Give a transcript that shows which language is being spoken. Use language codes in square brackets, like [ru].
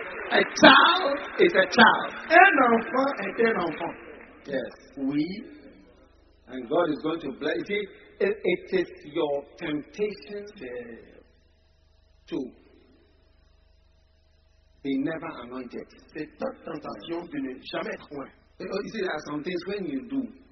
[en] A child is a child. [fr] Un enfant est un enfant. [en] Yes. [fr] Oui. [en] And God is going to bless you. It is your temptation to be never anointed. [fr] C'est ta tentation de ne jamais être loin. [en] You see, there are some things when you do.